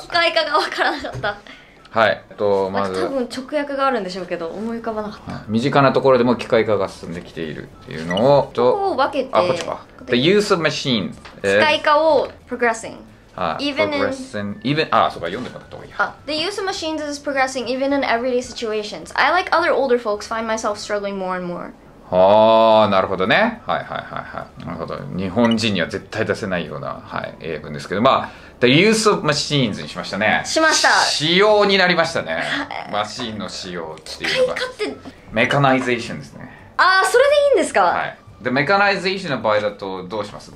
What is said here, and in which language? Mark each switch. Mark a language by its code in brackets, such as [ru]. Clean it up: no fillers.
[ja] 機械化が分からなかった。はい。とまず、多分直訳があるんでしょうけど、思い浮かばなかった。身近なところでも機械化が進んできているっていうのを、とこを分けて、あ、こっちか。 [en] The use of machine。 [ja] 機械化を progressing。あ、 [en] even in [ja] even、あ、そうか、読んでもらった方がいい。 [en] あ、The use of machines is progressing even in everyday situations. I like other older folks find myself struggling more and more. [ja] あー、なるほどね。はいはいはいはい。なるほど。日本人には絶対出せないような、はい、英文ですけど。まあ、 [en] The use of machines [ja] にしましたね。しました。使用になりましたね。マシンの使用っていうのが。機械化って。メカナイゼーションですね。あー、それでいいんですか？はい。で、メカナイゼーションの場合だと、どうします？